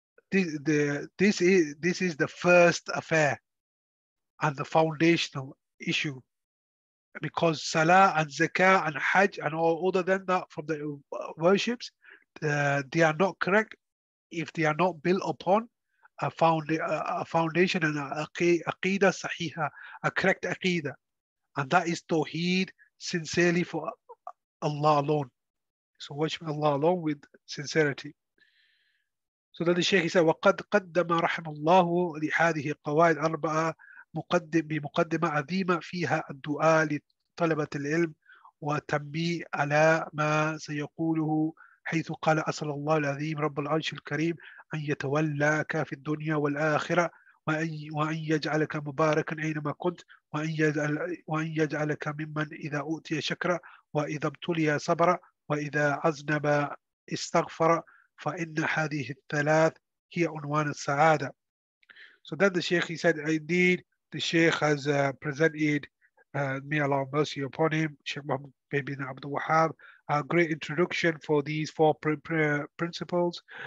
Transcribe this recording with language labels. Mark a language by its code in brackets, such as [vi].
[en] this is the first affair and the foundational issue, because salah and zakat and hajj and all other than that from the worships, they are not correct if they are not built upon a foundation and aqeedah sahiha, a correct aqeedah, and that is tawheed, sincerely for Allah alone. So worship Allah alone with sincerity. So then the Shaykh said, [ar] وَقَدْ قَدَّمَ رَحْمَ اللَّهُ لِهَذِهِ قَوَائِدْ أَرْبَعَ مقدم بمقدمة عظيمة فيها الدعاء لطلبة العلم وتنبيه على ما سيقوله، حيث قال: أسأل الله العظيم رب العرش الكريم أن يتولاك في الدنيا والآخرة، وأن يجعلك مباركا أينما كنت، وأن يجعلك ممن إذا أوتي شكر وإذا ابتلي صبر وإذا أذنب استغفر، فإن هذه الثلاث هي عنوان السعادة. [en] So then the Shaykh, he said, indeed, the Shaykh has presented, may Allah mercy upon him, Shaykh Mohammed bin Abdul Wahab, a great introduction for these four principles.